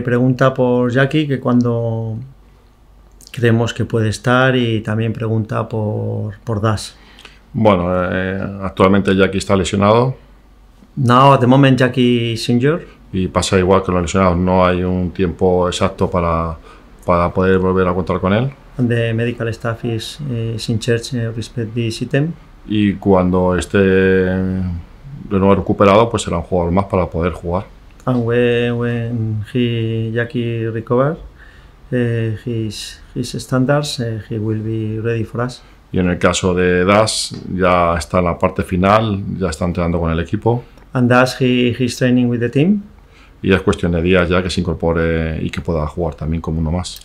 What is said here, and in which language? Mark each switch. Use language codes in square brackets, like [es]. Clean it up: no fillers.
[es] Pregunta por Jackie, que cuando creemos que puede estar, y también pregunta por Das. Bueno, actualmente Jackie está lesionado. [en] Now at the moment Jackie is injured. [es] Y pasa igual que los lesionados, no hay un tiempo exacto para poder volver a contar con él. [en] And the medical staff is in charge respect this item. [es] Y cuando esté de nuevo recuperado, pues será un jugador más para poder jugar. [en] And when Jackie recover his standards, he will be ready for us. [es] Y en el caso de Das, ya está en la parte final, ya está entrenando con el equipo. [en] And Das, he's training with the team. [es] Y es cuestión de días ya que se incorpore y que pueda jugar también como uno más.